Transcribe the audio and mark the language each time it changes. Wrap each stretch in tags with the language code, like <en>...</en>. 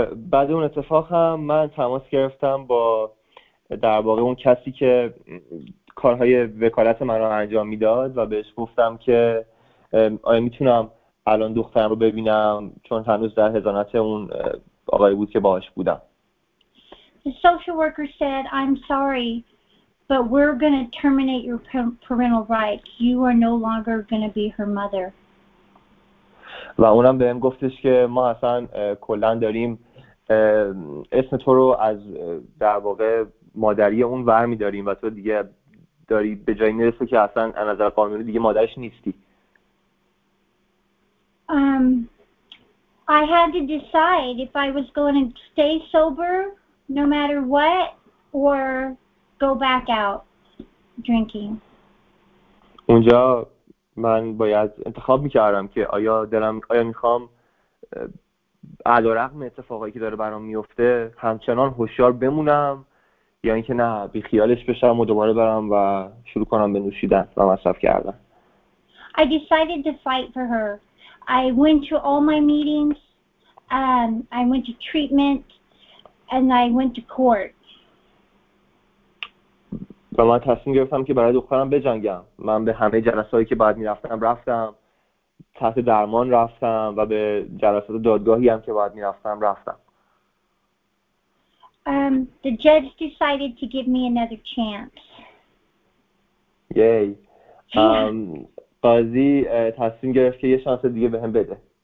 <fa>بعد اون اتفاق هم من تماس گرفتم با در واقع اون کسی که کارهای وکالت من رو انجام میداد و بهش گفتم که آیا میتونم الان دخترم رو ببینم چون هنوز در حضانت اون آقای بود که باهاش بودم.</fa> <en>The social worker said, I'm sorry, but we're going to terminate your parental rights. You are no longer going to be her mother.</en> <fa>و اونم به هم گفتش که ما اصلا کلن داریم اسم تو رو از در واقع مادری اون ور میداریم و تو دیگه داری به جایی نرسه که اصلا نظر قانونی دیگه مادرش نیستی.</fa> <en>I had to decide if I was going to stay sober no matter what or go back out drinking.</en> <fa>اونجا من باید انتخاب می‌کردم که آیا می‌خوام علی‌رغم اتفاقایی که داره برام می‌افته همچنان هوشیار بمونم یا اینکه نه بی خیالش بشم و دوباره برم و شروع کنم به نوشیدن و مصرف کردن.</fa> <en>I decided to fight for her. I went to all my meetings. I went to treatment and I went to court.</en> <fa>و من تصمیم گرفتم که برای دخترم بجنگم. من به همه جلساتی که باید می‌رفتم رفتم، تحت درمان رفتم و به جلسات دادگاهی هم که باید می‌رفتم رفتم.</fa> <en>The judge decided to give me another chance. Yay.</en> <fa>قاضی تصمیم گرفت که یه شانس دیگه بهم بده.</fa>